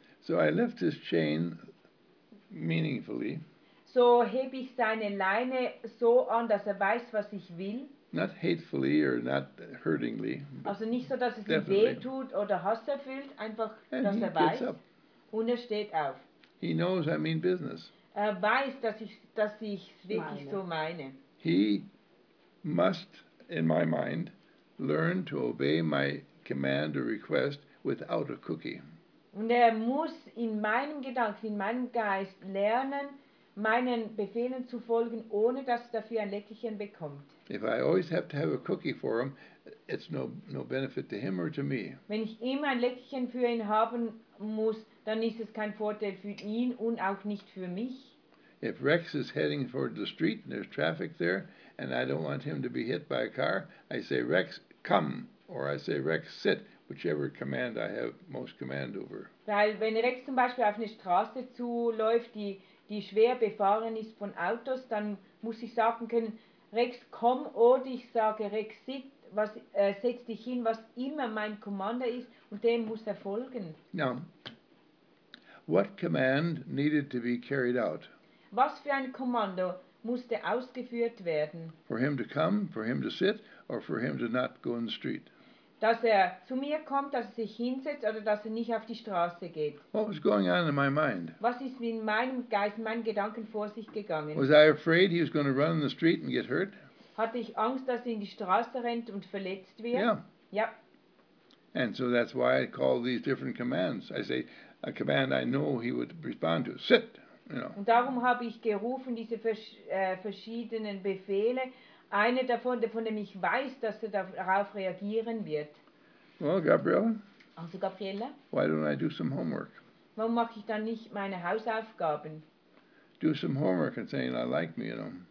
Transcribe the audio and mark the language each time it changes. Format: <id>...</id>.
<en>So I lift his chain meaningfully.</en> <de>So hebe ich seine Leine so an, dass er weiß, was ich will.</de> <en>Not hatefully or not hurtingly.</en> <de>Also nicht so, dass es ihm weh tut oder hasserfüllt, einfach,</de> <en>and</en> <de>dass</de> <en>he</en> <de>er weiß.</de> <en>Gets up.</en> <de>Und er steht auf.</de> <en>He knows I mean business.</en> <de>Er weiß, dass ich es wirklich so meine.</de> <en>He must, in my mind, learn to obey my command or request without a cookie.</en> <de>Und er muss in meinem Gedanken, in meinem Geist lernen, meinen Befehlen zu folgen, ohne dass dafür ein Leckerchen bekommt.</de> <en>If I always have to have a cookie for him, it's no benefit to him or to me.</en> <de>Wenn ich immer ein Leckerchen für ihn haben muss, dann ist es kein Vorteil für ihn und auch nicht für mich.</de> <en>If Rex is heading for the street and there's traffic there and I don't want him to be hit by a car, I say, Rex, come. Or I say, Rex, sit, whichever command I have most command over.</en> <de>Weil wenn Rex zum Beispiel auf eine Straße zuläuft, die schwer befahren ist von Autos, dann muss ich sagen können, Rex, komm, oder ich sage, Rex, sit, setz dich hin, was immer mein Commander ist, und dem muss er folgen.</de> <en>Now, what command needed to be carried out?</en> <de>Was für ein Kommando musste ausgeführt werden?</de> <en>For him to come, for him to sit, or for him to not go in the street?</en> <de>Dass er zu mir kommt, dass er sich hinsetzt oder dass er nicht auf die Straße geht.</de> <en>What was going on in my mind?</en> <de>Was ist in meinem Geist, in meinen Gedanken vor sich gegangen?</de> <en>Was I afraid he was going to run in the street and get hurt?</en> <de>Hatte ich Angst, dass er in die Straße rennt und verletzt wird?</de> <en>Yeah.</en> <de>Ja.</de> <en>And so that's why I call these different commands. I say a command I know he would respond to. Sit, you know.</en> <de>Und darum habe ich gerufen diese verschiedenen Befehle. Eine davon, von dem ich weiß, dass er darauf reagieren wird.</de> <en>Well, Gabriela.</en> <de>Also, Gabriela.</de> <en>Why don't I do some homework?</en> <de>Warum mache ich dann nicht meine Hausaufgaben?</de> <en>Do some homework and saying I like me, you know.</en>